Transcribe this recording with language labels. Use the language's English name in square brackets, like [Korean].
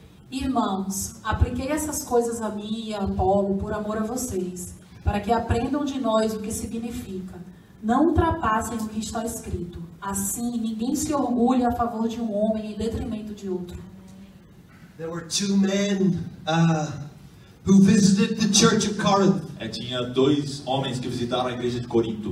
[Portuguese] Irmãos, apliquei essas coisas a mim e a Apolo por amor a vocês, para que aprendam de nós o que significa. Não ultrapassem o que está escrito. Assim, ninguém se orgulha a favor de um homem em detrimento de outro. [English] There were two men who visited the church of Corinth. [Portuguese] Tinha dois homens que visitaram a igreja de Corinto.